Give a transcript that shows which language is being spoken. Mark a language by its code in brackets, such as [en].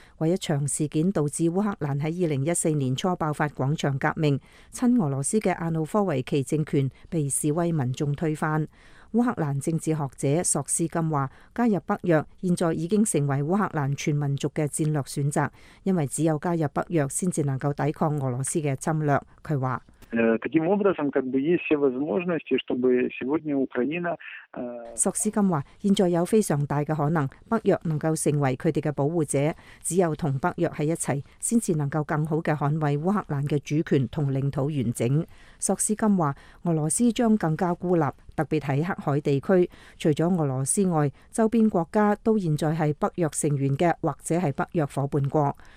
[zh] 为一场事件导致乌克兰在2014年初爆发广场革命，亲俄罗斯的亚努科维奇政权被示威民众推翻。乌克兰政治学者索斯金说，加入北约现在已经成为乌克兰全民族的战略选择，因为只有加入北约才能够抵抗俄罗斯的侵略。他说， [ru] таким образом, как бы есть все возможности, чтобы сегодня Украина. [zh] 索斯金说，现在有非常大的可能，北约能够成为他们的保护者，只有同北约在一起，才能够更好地捍卫乌克兰的主权和领土完整。索斯金说，俄罗斯将更加孤立，特别在黑海地区，除了俄罗斯外，周边国家都现在是北约成员的或者是北约伙伴国。